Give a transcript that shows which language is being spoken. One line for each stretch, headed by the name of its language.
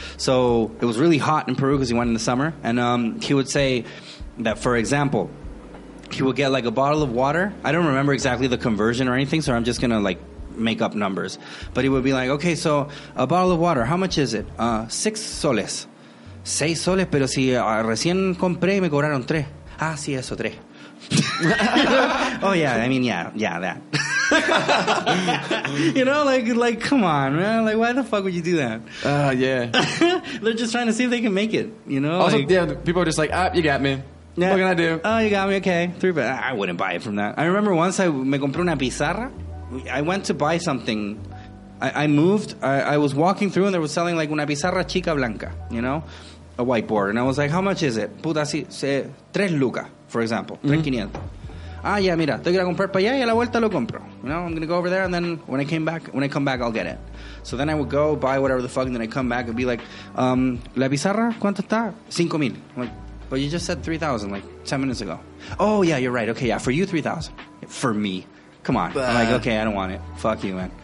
English: So it was really hot in Peru because he went in the summer. And he would say that, for example, he would get like a bottle of water. I don't remember exactly the conversion or anything, so I'm just going to like make up numbers. But he would be like, okay, so a bottle of water, how much is it? 6 soles.
Spanish: 6 soles, pero si recién compré y me cobraron 3. Ah, sí, eso,
English: 3. Oh, yeah, I mean, yeah, that. You know, like, come on, man. Like, why the fuck would you do that? Yeah. They're just trying to see if they can make it, you know? Also, like, yeah, people are just like, ah, you got me. Yeah. What can I do? Oh, you got me, okay. 3, but I wouldn't buy it from that. I remember once I
Spanish: me compré una pizarra.
English: I went to buy something. I was walking through and they were selling, like,
Spanish: una pizarra chica blanca,
English: you know? A whiteboard. And I was like, how much is it?
Spanish: Puta, si, se, 3 lucas,
English: for example.
Spanish: 3,500. Mm-hmm. Ah, yeah, mira, tengo que ir a comprar para allá y a la vuelta lo compro.
English: You know, I'm going to go over there, and then when I come back, I'll get it. So then I would go buy whatever the fuck, and then I come back and be like,
Spanish: la pizarra, ¿cuánto está?
English: 5,000. I'm like, but you just said 3,000, like, 10 minutes ago. Oh, yeah, you're right. Okay, yeah, for you, 3,000. For me. Come on. I'm like, okay, I don't want it. Fuck you, man.